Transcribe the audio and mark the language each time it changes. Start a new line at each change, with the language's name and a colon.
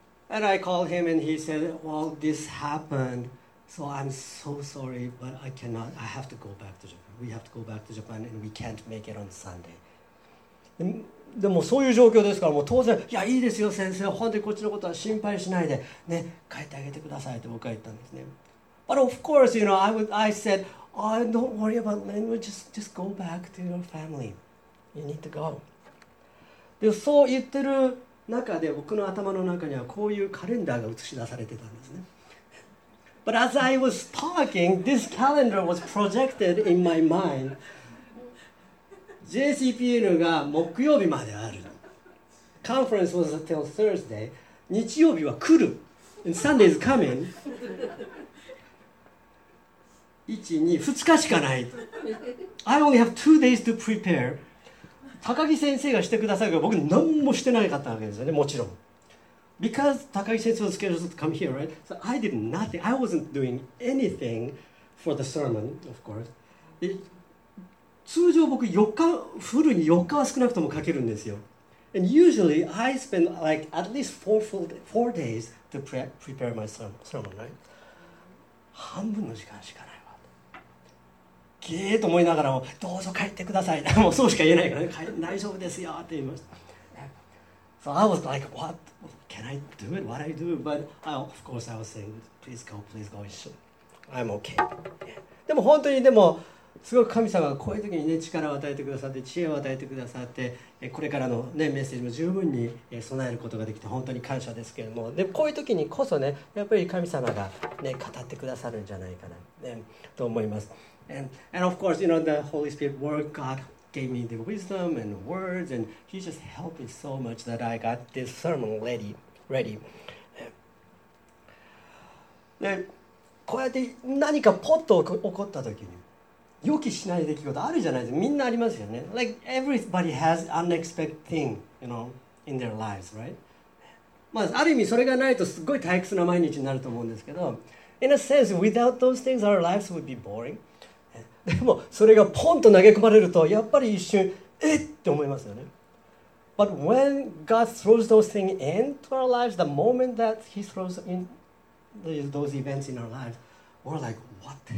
English: And I called him and he said, well, this happened, so I'm so sorry, but I cannot, I have to go back to Japan. We have to go back to Japan and we can't make it on Sunday.
Japanese: でもそういう状況ですから、もう当然、いやいいですよ先生、本当にこっちのことは心配しないでね、帰ってあげてくださいって僕は言ったんですね。
English: But of course, you know, I said, oh, don't worry about language, just go back to your family. You need to go.
Japanese: で、そう言ってる中で、僕の頭の中にはこういうカレンダーが映し出されてたんですね。
English: But as I was talking, this calendar was projected in my mind.
Japanese: JCPN が木曜日まである。
English: Conference was until Thursday.
Japanese: 日曜日は来る。
English: And Sunday is coming.
Japanese: 1、2、2日しかない。
English: I only have 2 days to prepare.
Japanese: 高木先生がしてくださるから僕何もしてなかったわけですよね、もちろん。
English: Because 高木先生の schedule to come here, right? So I did nothing. I wasn't doing anything for the sermon, of course.
Japanese: 通常僕4日、フルに4日は少なくともかけるんですよ。
English: And usually I spend like at least 4 days to prepare my sermon, right?
Japanese: 半分の時間しかない。ゲーと思いながらも、どうぞ帰ってください。もうそうしか言えないから、ね、大丈夫ですよって言いました。
English: So I was like, what? Can I do it? What I do? But I, of course I was saying, please go, I'm okay.
Japanese: でも本当に、でもすごく神様がこういう時に、ね、力を与えてくださって、知恵を与えてくださって、これからの、ね、メッセージも十分に備えることができて本当に感謝ですけれども、でこういう時にこそね、やっぱり神様が、ね、語ってくださるんじゃないかな、ね、と思います。
English: And of course, you know, the Holy Spirit word, God gave me the wisdom and words, and He just helped me so much that I got this sermon ready.
Japanese: で、こうやって何かポッと起こった時に、予期しない出来事あるじゃないですか。みんなありますよね。
English: Like everybody has unexpected thing, you know, in their lives, right?
Japanese: まあ、ある意味それがないとすごい退屈な毎日になると思うんですけど、
English: In a sense, without those things, our lives would be boring.
Japanese: でもそれがポンと投げ込まれるとやっぱり一瞬えって思いますよね。
English: But when God throws those things into our lives, the moment that He throws in those events in our lives, we're like, what?